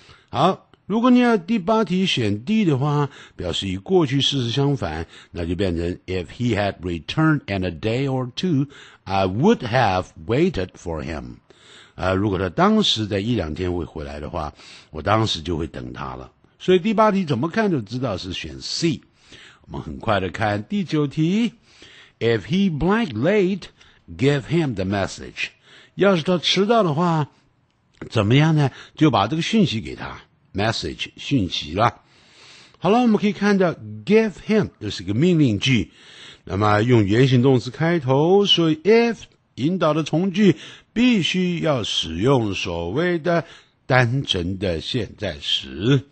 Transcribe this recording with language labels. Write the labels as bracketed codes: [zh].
[zh] 好，如果你要第八题选 D 的话，表示与过去事实相反，那就变成 [en] If he had returned in a day or two I would have waited for him。 [zh] 如果他当时在一两天会回来的话，我当时就会等他了。所以第八题怎么看就知道是选 C。我们很快的看第九题。 [en] If he blank late, give him the message. [zh] 要是他迟到的话怎么样呢？就把这个讯息给他， message 讯息了。好了，我们可以看到 give him 就是个命令句，那么用原形动词开头，所以 if 引导的从句必须要使用所谓的单纯的现在时。